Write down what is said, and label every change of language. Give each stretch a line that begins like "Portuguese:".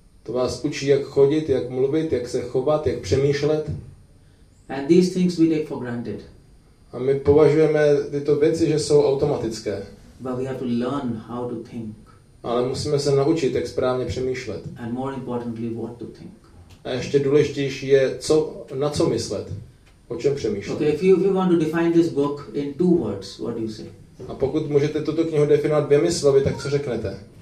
Czech: To vás učí, jak chodit, jak mluvit, jak se chovat, jak přemýšlet.
English: And these things we take for granted.
Czech: A my považujeme tyto věci, že jsou automatické.
English: But we have to learn how to think.
Czech: Ale musíme se naučit, jak správně přemýšlet.
English: And more importantly, what to think.
Czech: A ještě důležitější je, na co myslet. O čem přemýšlet?
English: Okay, if you want to define this book in two words, what do you say?
Czech: A pokud můžete tuto knihu definovat dvěmi slovy, tak co řeknete?